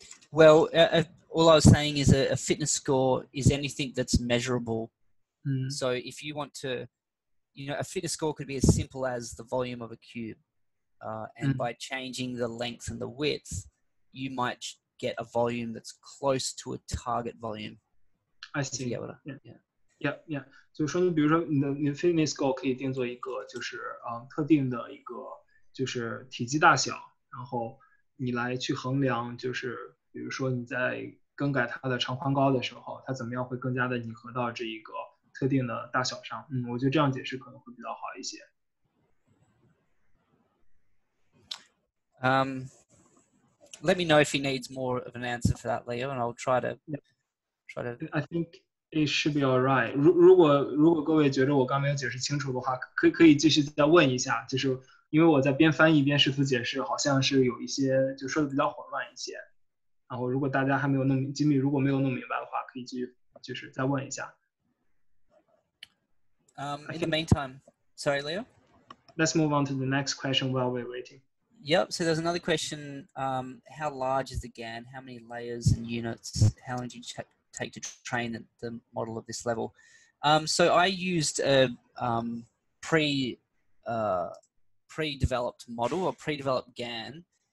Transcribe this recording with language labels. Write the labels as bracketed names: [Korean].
[English] Well, all I was saying is a fitness score is anything that's measurable. Mm. So if you want to, you know, a fitness score could be as simple as the volume of a cube. And by changing the length and the width, you might get a volume that's close to a target volume. I see. Yeah. [Chinese] 就是说你比如说你的 [English] fitness goal [Chinese] 可以定做一个就是特定的一个就是体积大小，然后你来去衡量就是比如说你在更改它的长宽高的时候，它怎么样会更加的拟合到这一个特定的大小上。嗯，我觉得这样解释可能会比较好一些。 [English] Let me know if he needs more of an answer for that, Leo, and I'll try to try to. I think it should be alright. [Chinese] 如果各位觉得我刚没有解释清楚的话，可以继续再问一下。就是因为我在边翻译边试图解释，好像是有一些就说的比较混乱一些。然后如果大家还没有弄Jimmy，如果没有弄明白的话，可以继续就是再问一下。 [English] In the meantime, sorry, Leo. Let's move on to the next question while we're waiting. Yep, so there's another question. How large is the GAN? How many layers and units? How long do you take to train the model of this level? So I used a pre-developed model or pre-developed GAN.